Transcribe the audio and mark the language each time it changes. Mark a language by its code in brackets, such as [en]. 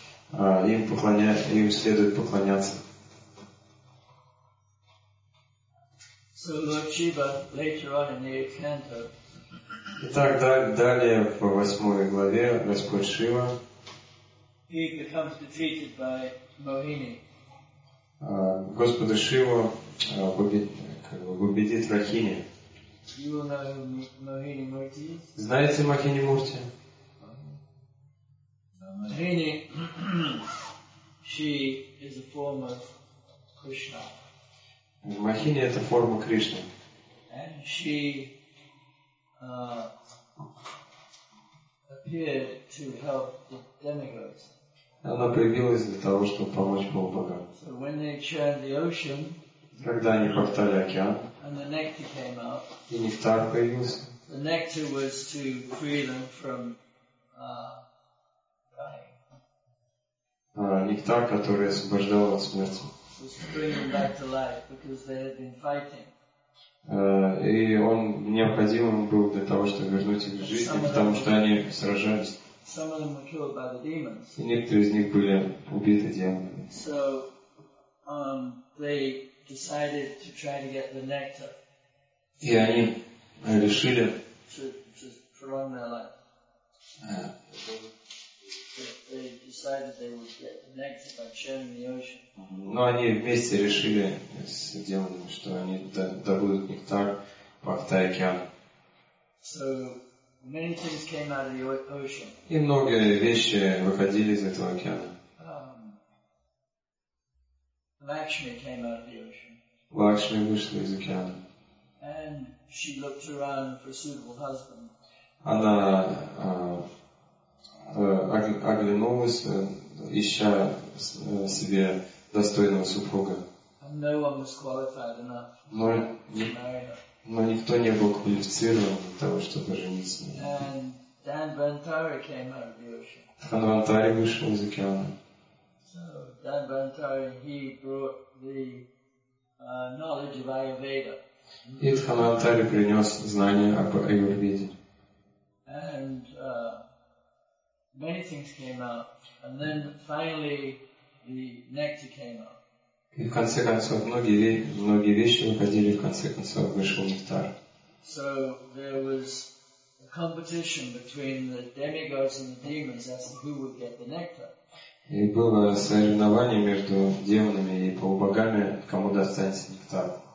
[ru] Им следует поклоняться. [en] So Lord Shiva, later on in the 8th canto. [ru] Итак, далее по 8 главе Господь Шива. [en] He becomes defeated by Mohini. [ru] Господа Шива победит Рахини. [en] You will know Mohini Murti? [ru] Знаете Махини Мурти? [en] Mohini, she is a form of Krishna. [ru] Махини — это форма Кришны. [en] And she appeared to help the demigods. [ru] Она появилась для того, чтобы помочь полубогам. [en] So when they churned the ocean, [ru] когда они повторяли океан, [en] and the nectar came out, [ru] и нектар появился, [en] the nectar was to free them from dying. [ru] Нектар, который освобождал от смерти. [en] Was to bring them back to life because they had been fighting. [ru] И он необходим был для того, чтобы вернуть их в жизнь, потому что они сражались. [en] Some of them were killed by the demons. [ru] И некоторые из них были убиты демонами. [en] So, they decided to try to get the nectar. [ru] И они решили [en] to prolong their life. They decided they would get the nectar by churning the ocean. [ru] Но они вместе решили с демонами, что они добудут нектар, повтая океан. [en] So, many things came out of the ocean. [ru] И многие вещи выходили из этого океана. [en] Lakshmi came out of the ocean. [ru] Lakshmi вышла из океана. [en] And she looked around for a suitable husband. [ru] Она оглянулась, ища себе достойного супруга. [en] And no one was qualified enough to marry her. [ru] Но никто не был квалифицирован для того, чтобы жениться на ней. Дан Бхантари вышел из океана. [en] So, Дан Бхантари, he brought the knowledge of Ayurveda. [ru] И Дан Бхантари принес знания об Аюрведе. [en] And many things came out. And then finally the nectar came out. [ru] И в конце концов многие вещи выходили, в конце концов вышел нектар. [en] So there was a competition between the demigods and the demons as to who would get the nectar. [ru] И было соревнование между демонами и полубогами, кому достанется нектар.